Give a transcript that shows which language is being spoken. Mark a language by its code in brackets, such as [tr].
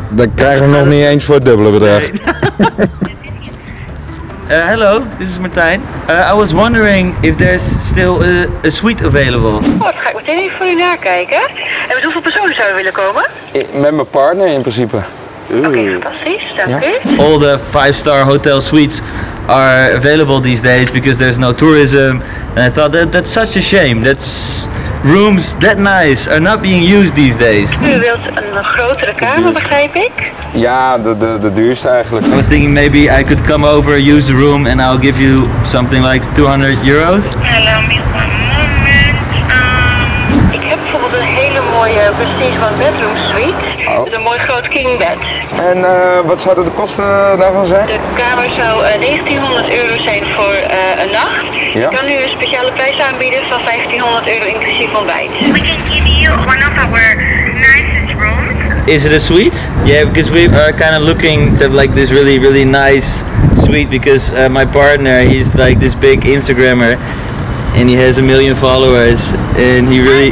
[nl] Dan krijgen we nog niet eens voor het dubbele bedrag. [en] Hello, this is Martijn. I was wondering if there's still a suite available. [nl] Oh, dan ga ik meteen even voor u nakijken. En met hoeveel personen zouden we willen komen? Met mijn partner in principe. Oké, fantastisch. Dank u. [en] All the 5-star hotel suites are available these days because there's no tourism. And I thought that's such a shame. That's rooms that nice are not being used these days. [nl] U wilt een grotere kamer, begrijp ik? Ja, de duurste eigenlijk. [en] I was thinking maybe I could come over, use the room and I'll give you something like 200 euros. Allow me one moment. [nl] Ik heb bijvoorbeeld een hele mooie prestige one bedroom suite. Oh. Een mooi groot king bed. En wat zouden de kosten daarvan zijn? De kamer zou 1900 euro zijn voor een nacht. Ja. Ik kan u een speciale prijs aanbieden van 1500 euro inclusief ontbijt. [en] We can give you one of our nicest rooms. Is it a suite? Yeah, because we are kind of looking to like this really, really nice suite because my partner, he's like this big Instagrammer and he has 1 million followers and he really...